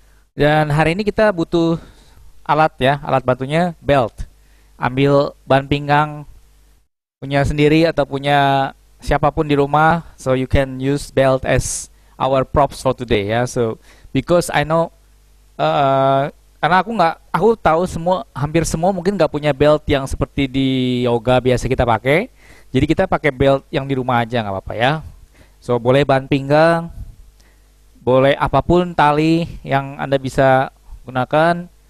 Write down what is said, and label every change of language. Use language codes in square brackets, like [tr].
[id] Dan hari ini kita butuh alat ya, alat bantunya belt. Ambil ban pinggang punya sendiri atau punya siapapun di rumah. [en] So you can use belt as our props for today ya. So because I know [id] karena aku tahu semua, hampir semua mungkin nggak punya belt yang seperti di yoga biasa kita pakai. Jadi kita pakai belt yang di rumah aja, nggak apa-apa ya. So boleh ban pinggang, boleh apapun tali yang Anda bisa gunakan.